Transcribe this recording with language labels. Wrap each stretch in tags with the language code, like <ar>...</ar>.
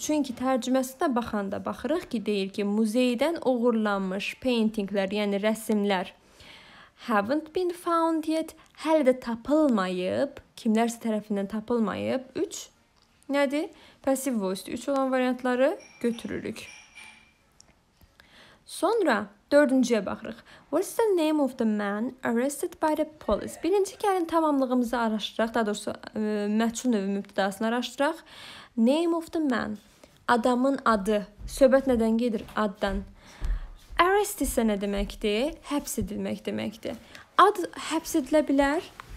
<az>Çünki tərcüməsində baxanda baxırıq ki, deyir ki, muzeydən oğurlanmış paintinglər, yəni rəsimlər</az> <en>haven't been found yet,</en> <az>hələ də tapılmayıb, kimlərsə tərəfindən tapılmayıb. Üç, nədir? Passive voice-dir. Üç olan variantları götürürük. Sonra dördüncüyə baxırıq.</az> <en>What's the name of the man arrested by the police?</en> <az>Birinci gəlin tamamlığımızı araşdıraq. Daha doğrusu, məçhul növü mübtidasını araşdıraq.</az> <en>Name of the man.</en> <az>Adamın adı. Söhbət nədən gedir? Addan. Arrest isə nə deməkdir? Həbs edilmək deməkdir. Ad həbs edilə bilər.</az>